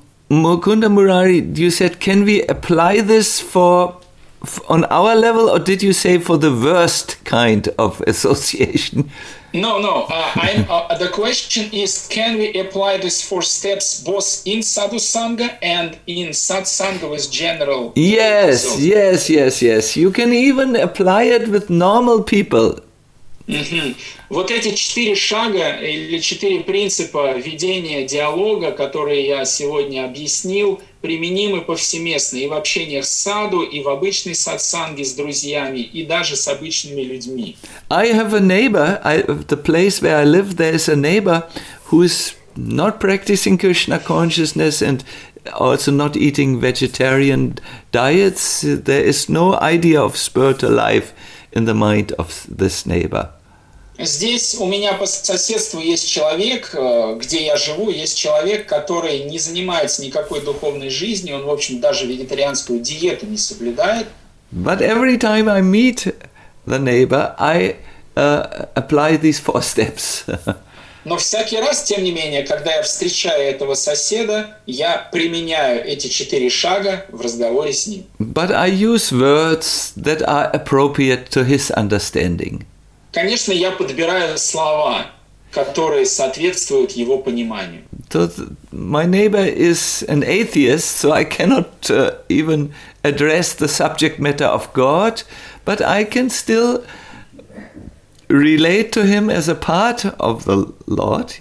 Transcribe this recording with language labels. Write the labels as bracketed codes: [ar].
[en] Mukunda Murari, you said, can we apply this on our level, or did you say for the worst kind of association? No. The question is, can we apply these four steps both in sadhusanga and in satsanga with general? Yes. You can even apply it with normal people. Mm-hmm. [ru] Вот эти четыре шага или четыре принципа ведения диалога, которые я сегодня объяснил, применимы повсеместно и в общениях с саду, и в обычной сатсанге с друзьями, и даже с обычными людьми. [en] I have a neighbor, the place where I live, there is a neighbor who is not practicing Krishna consciousness and also not eating vegetarian diets. There is no idea of spiritual life in the mind of this neighbor. [ru] Здесь у меня по соседству есть человек, где я живу, есть человек, который не занимается никакой духовной жизнью, он, в общем, даже вегетарианскую диету не соблюдает, [en] But every time I meet the neighbor, I apply these four steps. [ru] Но всякий раз, тем не менее, когда я встречаю этого соседа, я применяю эти четыре шага в разговоре с ним. [en] But I use words that are appropriate to his understanding. [ru] Конечно, я подбираю слова, которые соответствуют его пониманию. [en] So my neighbor is an atheist, so I cannot even address the subject matter of God, but I can still relate to him as a part of the Lord.